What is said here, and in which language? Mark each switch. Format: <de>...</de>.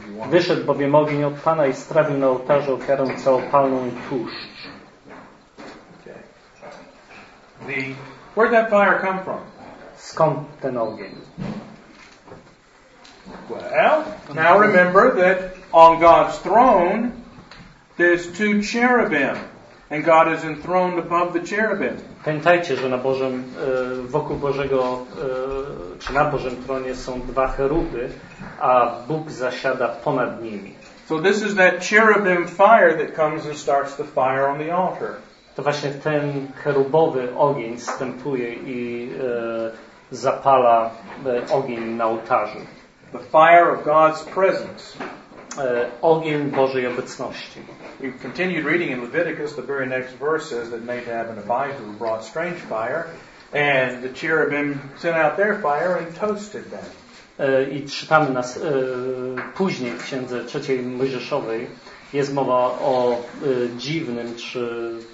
<pl>Wyszedł bowiem ogień od Pana i strawił na ołtarzu ofiarę całopalną i tłuszcz.</pl> <en>Where did that fire come from?</en> <pl>Skąd ten ogień?</pl> <en>Well, now remember that on God's throne there's two cherubim and God is enthroned above the cherubim.</en> <pl>Pamiętajcie, że na Bożym, wokół Bożego, czy na Bożym tronie są dwa cheruby, a Bóg zasiada ponad nimi.</pl> <en>So this is that cherubim fire that comes and starts the fire on the altar.</en> <pl>To właśnie ten cherubowy ogień wstępuje i zapala ogień na ołtarzu.</pl> <en>The fire of God's presence.</en> <pl>Ogień Bożej obecności.</pl> <en>We continued reading in Leviticus, the very next verse says that Nadab and Abihu brought strange fire, and the cherubim sent out their fire and toasted them.</en> <pl>I czytamy nas później w księdze trzeciej Mojżeszowej jest mowa o dziwnym czy</pl>